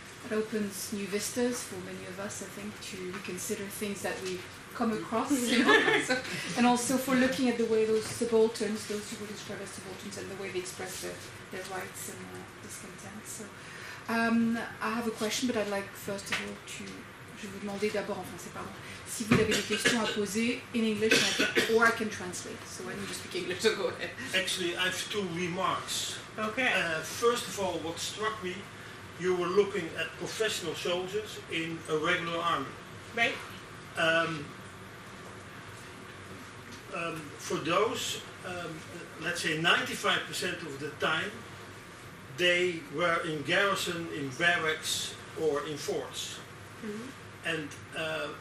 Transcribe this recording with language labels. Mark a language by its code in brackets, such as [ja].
[en] It opens new vistas for many of us, I think, to reconsider things that we've come across. And also for looking at the way those subalterns, those who were described as subalterns, and the way they express their rights and discontent. So, I have a question, but I'd like first of all to... [fr] Je vous demander d'abord en français, pardon, si vous avez des questions à poser [en] in English, or I can translate. So I need to speak English, so go ahead. Actually, I have two remarks. Okay. First of all, what struck me, you were looking at professional soldiers in a regular army. Right. For those, let's say 95% of the time, they were in garrison, in barracks, or in forts. Mm-hmm.